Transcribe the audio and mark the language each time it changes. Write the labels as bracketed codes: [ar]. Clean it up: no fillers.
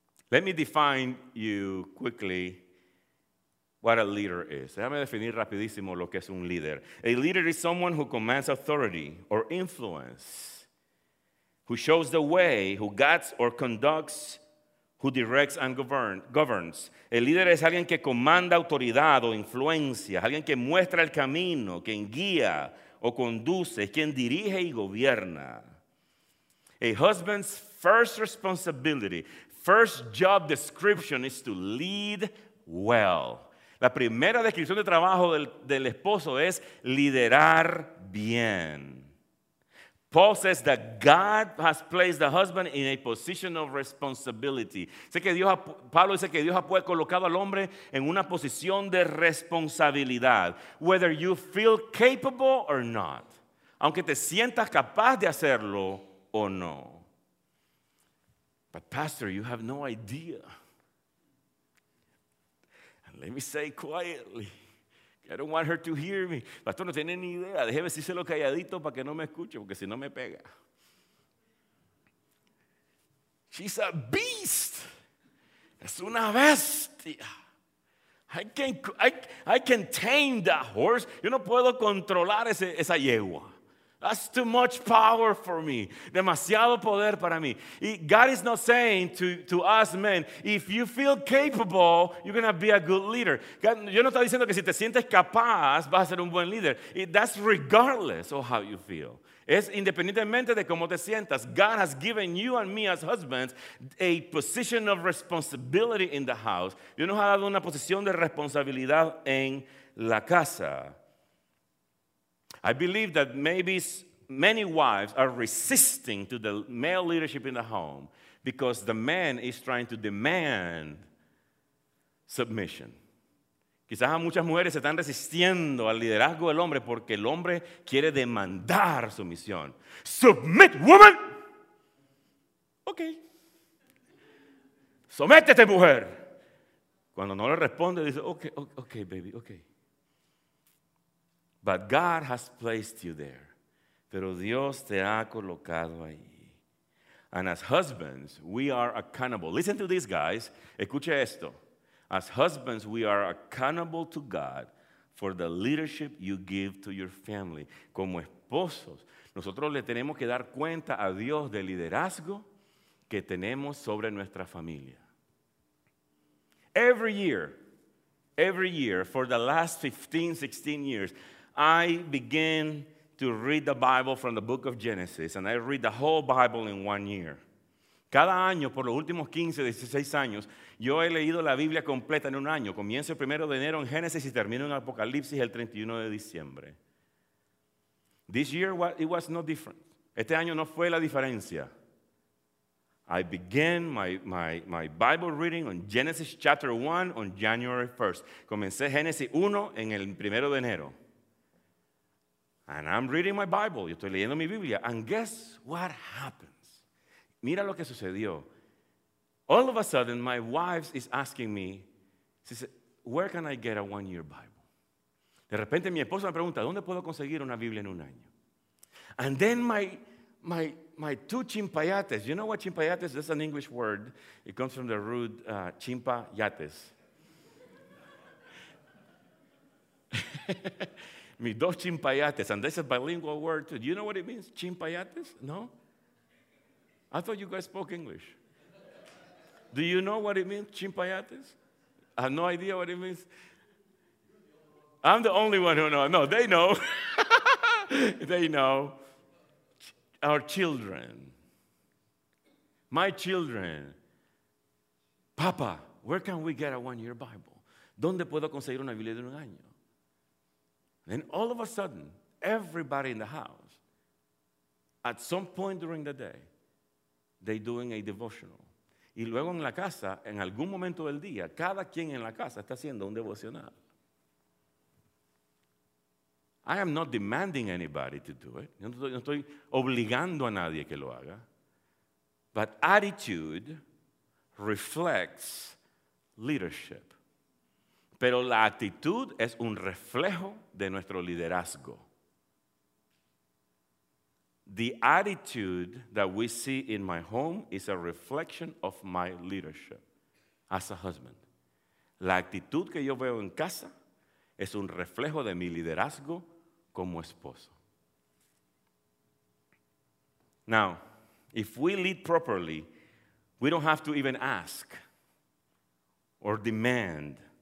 [en] Let me define you quickly what a leader is. [es] Déjame definir rapidísimo lo que es un líder. [en] A leader is someone who commands authority or influence, who shows the way, who guides or conducts, who directs and governs. [es] El líder es alguien que comanda autoridad o influencia, alguien que muestra el camino, quien guía o conduce, quien dirige y gobierna. [en] A husband's first responsibility, first job description is to lead well. [es] La primera descripción de trabajo del esposo es liderar bien. [en] Paul says that God has placed the husband in a position of responsibility. [es] Pablo dice que Dios ha colocado al hombre en una posición de responsabilidad, [en] whether you feel capable or not, [es] aunque te sientas capaz de hacerlo o no. [en] But pastor, you have no idea. And let me say quietly, I don't want her to hear me. [es] Pastor, no tiene ni idea. Déjeme decírselo calladito para que no me escuche, porque si no me pega. [en] She's a beast. [es] Es una bestia. [en] I can tame that horse. [es] Yo no puedo controlar esa yegua. [en] That's too much power for me. [es] Demasiado poder para mí. [en] God is not saying to us men, if you feel capable, you're going to be a good leader. [es] Yo no estoy diciendo que si te sientes capaz, vas a ser un buen líder. [en] That's regardless of how you feel. [es] Es independientemente de cómo te sientas. [en] God has given you and me as husbands a position of responsibility in the house. [es] Dios nos ha dado una posición de responsabilidad en la casa. [en] I believe that maybe many wives are resisting to the male leadership in the home because the man is trying to demand submission. [es] Quizás muchas mujeres se están resistiendo al liderazgo del hombre porque el hombre quiere demandar sumisión. [en] Submit, woman! Okay. [es] Sométete, mujer! Cuando no le responde, dice, [en] okay, baby, okay. But God has placed you there. [es] Pero Dios te ha colocado ahí. [en] And as husbands, we are accountable. Listen to this, guys. [es] Escuche esto. [en] As husbands, we are accountable to God for the leadership you give to your family. [es] Como esposos, nosotros le tenemos que dar cuenta a Dios del liderazgo que tenemos sobre nuestra familia. [en] Every year, for the last 15, 16 years, I begin to read the Bible from the book of Genesis, and I read the whole Bible in 1 year. [es] Cada año, por los últimos 15, 16 años, yo he leído la Biblia completa en un año. Comienzo el 1 de enero en Génesis y termino en Apocalipsis el 31 de diciembre. [en] This year, it was no different. [es] Este año no fue la diferencia. [en] I began my Bible reading on Genesis chapter 1 on January 1st. [es] Comencé Génesis 1 en el 1 de enero. [en] And I'm reading my Bible. [es] Yo estoy leyendo mi Biblia. [en] And guess what happens? [es] Mira lo que sucedió. [en] All of a sudden, my wife is asking me, she said, where can I get a 1 year Bible? [es] De repente, mi esposa me pregunta, ¿dónde puedo conseguir una Biblia en un año? [en] And then my two chimpayates, you know what chimpayates? That's an English word. It comes from the root chimpayates. [es] Mis dos [en] chimpayates, and this is a bilingual word too. Do you know what it means, chimpayates? No? I thought you guys spoke English. Do you know what it means, chimpayates? I have no idea what it means. I'm the only one who knows. No, they know. They know. Our children. My children. Papa, where can we get a one-year Bible? [es] ¿Dónde puedo conseguir una Biblia de un año? [en] Then all of a sudden, everybody in the house, at some point during the day, they're doing a devotional. [es] Y luego en la casa, en algún momento del día, cada quien en la casa está haciendo un devocional. [en] I am not demanding anybody to do it. [es] Yo no estoy obligando a nadie que lo haga. [en] But attitude reflects leadership. [es] Pero la actitud es un reflejo de nuestro liderazgo. [en] The attitude that we see in my home is a reflection of my leadership as a husband. [es] La actitud que yo veo en casa es un reflejo de mi liderazgo como esposo. [en] Now, if we lead properly, we don't have to even ask or demand